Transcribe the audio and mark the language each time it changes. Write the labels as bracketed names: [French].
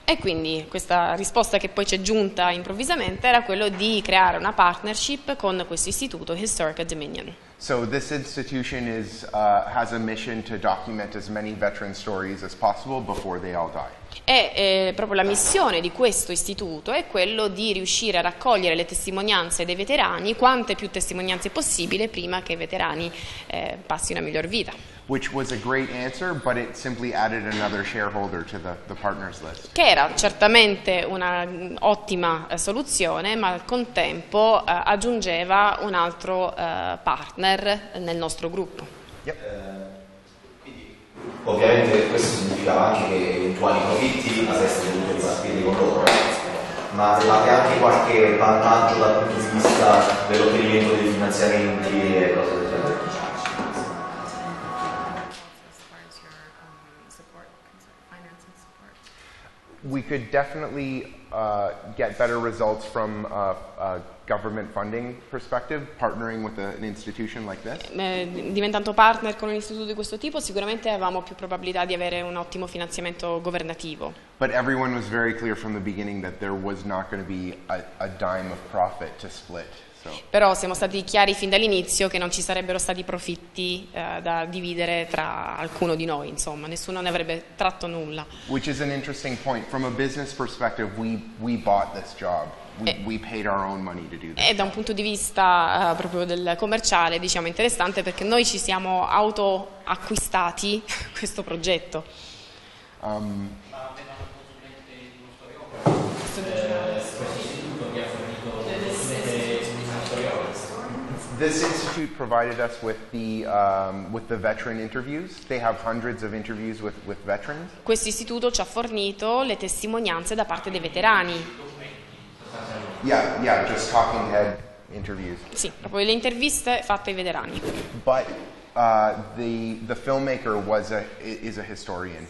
[Italian] E quindi questa risposta che poi ci è giunta improvvisamente era quello di creare una partnership con questo istituto, Historica Dominion. [English] So this institution has a mission to document as many veteran stories as possible before they all die. [Italian] E proprio la missione di questo istituto è quello di riuscire a raccogliere le testimonianze dei veterani, quante più testimonianze possibile prima che i veterani passino a miglior vita. [English] Which was a great answer, but it simply added another shareholder to the partners list. [Italian] Che era certamente una ottima soluzione, ma al contempo aggiungeva un altro partner nel nostro gruppo. [English] Yep. [Italian] Ovviamente questo significava anche che eventuali profitti avreste dovuto ripartire con loro, ma avevate anche qualche vantaggio dal punto di vista dell'ottenimento dei finanziamenti e cose del genere. [English] We could definitely get better results from a government funding perspective, partnering with an institution like this. [Italian] Diventando partner con un istituto di questo tipo, sicuramente avevamo più probabilità di avere un ottimo finanziamento governativo. [English] But everyone was very clear from the beginning that there was not going to be a dime of profit to split. So. [Italian] Però siamo stati chiari fin dall'inizio che non ci sarebbero stati profitti da dividere tra alcuno di noi, insomma, nessuno ne avrebbe tratto nulla. [English] Which is an interesting point. From a business perspective, we bought this job. We paid our own money to do this. [Italian] E da un punto di vista proprio del commerciale, diciamo, interessante perché noi ci siamo auto acquistati questo progetto. [English] This institute provided us with the veteran interviews. They have hundreds of interviews with veterans. [Italian] Questo istituto ci ha fornito le testimonianze da parte dei veterani. [English] Yeah, just talking head interviews. [Italian] Sì, proprio le interviste fatte ai veterani. [English] But the filmmaker is a historian.